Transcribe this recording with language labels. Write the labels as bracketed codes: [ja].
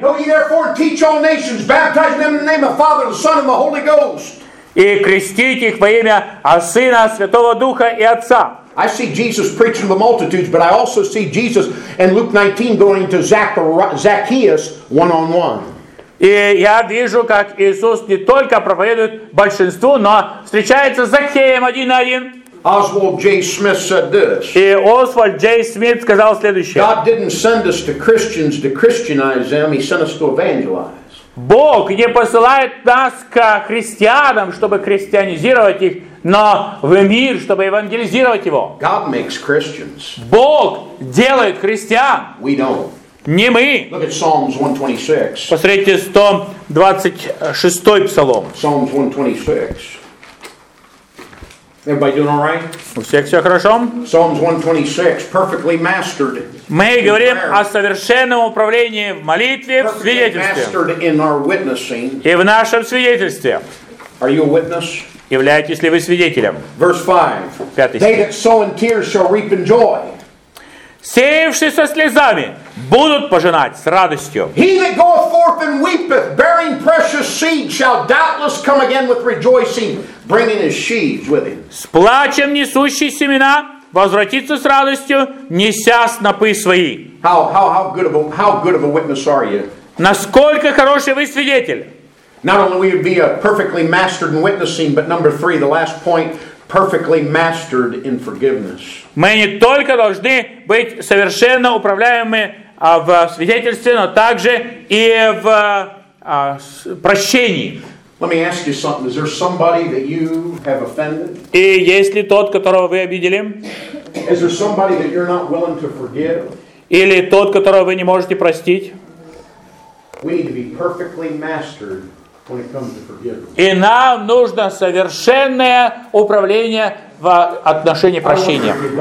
[en] Know ye therefore and teach all nations, baptizing them in the name of the Father, the Son, and the Holy Ghost. [ru] И крестить их во имя Сына, Святого Духа и Отца. [en] I see Jesus preaching to the multitudes, but I also see Jesus in Luke 19 going to Zacchaeus one-on-one. [ru] И я вижу, как Иисус не только проповедует большинству, но встречается с Закхеем один на один. [en] Oswald J. Smith said this. [ru] И Освальд Джей Смит сказал следующее. [en] God didn't send us to Christians to Christianize them. He sent us to evangelize. [ru] Бог не посылает нас к христианам, чтобы христианизировать их, но в мир, чтобы евангелизировать его. [en] God makes Christians. [ru] Бог делает христиан. [en] We don't. [ru] Не мы. [en] Look at Psalms 126. [ru] Посмотрите 126 псалом. [en] Psalms 126. Everybody doing all right? [ru] У всех все хорошо? [en] Psalms 126, perfectly mastered. [ru] Мы говорим о совершенном управлении в молитве, в свидетельстве. [en] Mastered in our witnessing. [ru] И в нашем свидетельстве. [en] Are you a witness? [ru] Являетесь ли вы свидетелем? [en] Verse 5. [ru] Пятый [en] стих. They that sow in tears shall reap in joy. [ru] Сеявшие со слезами будут пожинать с радостью. [en] He that goeth forth and weepeth, bearing precious seed, shall doubtless come again with rejoicing, bringing his sheaves with him. [ru] С плачем несущий семена возвратится с радостью, неся снопы свои. [en] How good of a witness are you? [ru] Насколько хороший вы свидетель? [en] Not only will you be a perfectly mastered in witnessing, but number three, the last point. Perfectly mastered in forgiveness. [ru] Мы не только должны быть совершенно управляемы в свидетельстве, но также и в прощении. [en] Let me ask you something. Is there somebody that you have offended? [ru] И есть ли тот, которого вы обидели? [en] Is there somebody that you're not willing to forgive? [ru] Или тот, которого вы не можете простить? [en] We need to be perfectly mastered. When it comes to forgiveness. [ru] И нам нужно совершенное управление в отношении прощения.